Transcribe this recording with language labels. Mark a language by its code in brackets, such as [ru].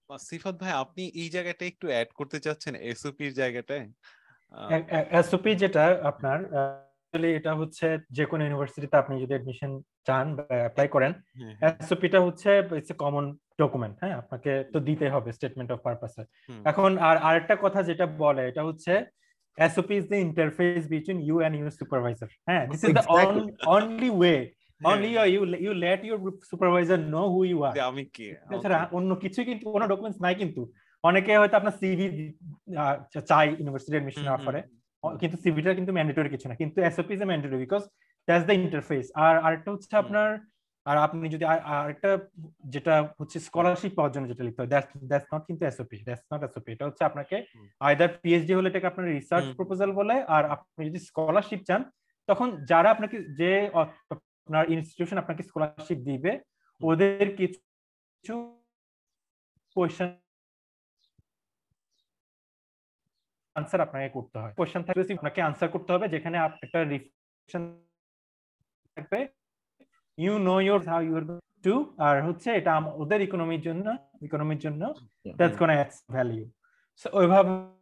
[bn] সিফাত ভাই, আপনি এই জায়গাটা একটু অ্যাড করতে চাচ্ছেন এসওপি এর জায়গাটায়? এসওপি যেটা আপনার, এটা হচ্ছে যে কোনো ইউনিভার্সিটিতে আপনি যদি এডমিশন চান বা অ্যাপ্লাই করেন, এসওপিটা হচ্ছে [en] it's a common document, [bn] হ্যাঁ, আপনাকে তো দিতে হবে স্টেটমেন্ট অফ পারপাস। এখন আর আরেকটা কথা যেটা বলে, এটা হচ্ছে [en] SOP is the interface between you and your supervisor. Yeah, this is exactly the only way. Only you let your supervisor know who you are. [bn] আমি কে? এছাড়া অন্য কিছু কিন্তু, কোনো documents নাই কিন্তু। অনেকে হয়তো আপনার CV চাই university admission offer এ, কিন্তু CV টা কিন্তু mandatory কিছু না, কিন্তু [en] SOP is a mandatory because that's the interface. [bn] আর আরেকটা হচ্ছে আপনার, আর আপনি যদি আরেকটা যেটা হচ্ছে স্কলারশিপ পাওয়ার জন্য যেটা লিখতে হয়, দ্যাটস নট কিন্তু এসওপি, [en] that's not SOP, [bn] এটা হচ্ছে আপনাকে আইদার পিএইচডি হলে এটাকে আপনার রিসার্চ প্রপোজাল বলে, আর আপনি যদি স্কলারশিপ চান তখন যারা আপনাকে যে আপনার ইনস্টিটিউশন আপনাকে স্কলারশিপ দিবে ওদের কিছু কোশ্চেন আনসার আপনাকে করতে হয়, কোশ্চেন থাকবে আপনাকে আনসার করতে হবে, যেখানে একটা রিফ্লেকশন থাকবে, you know your how you আর two, আর হচ্ছে এটা ওদের ইকোনমির জন্য, ইকোনমির জন্য [en] that's gonna adds value, [bn] so ওইভাবে